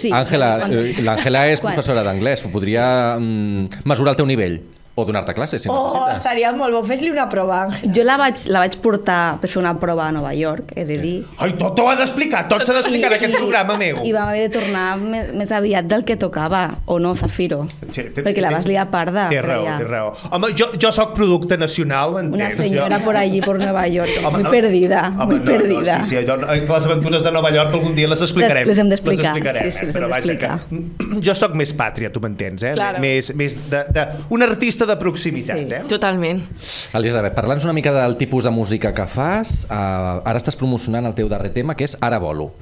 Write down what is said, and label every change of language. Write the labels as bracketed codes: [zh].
[ca] Àngela, l'Àngela és professora d'anglès, podria mesurar el teu nivell o donar-te classes, si necessites. Oh, estaria molt bo, fes-li una prova. Jo la vaig portar per fer una prova a Nova York, he de dir. Ai, tot ho ha d'explicar, tot s'ha d'explicar en aquest programa meu. I vam haver de tornar més aviat del que tocava, o no, Zafiro? Perquè la vas liar parda. Té raó, té raó. Home, jo soc producte nacional, m'entens? [es] Una senyora por allí, por Nova York, muy perdida, muy perdida. [ca] Sí, les aventures de Nova York algun dia les explicarem. Les hem d'explicar, sí, sí, les hem d'explicar. Jo soc més pàtria, tu m'entens, eh? Més d'un artista de proximitat, eh? Totalment. Elisabet, parlant una mica del tipus de música que fas, ara estàs promocionant el teu darrer tema, que és Ara Volo.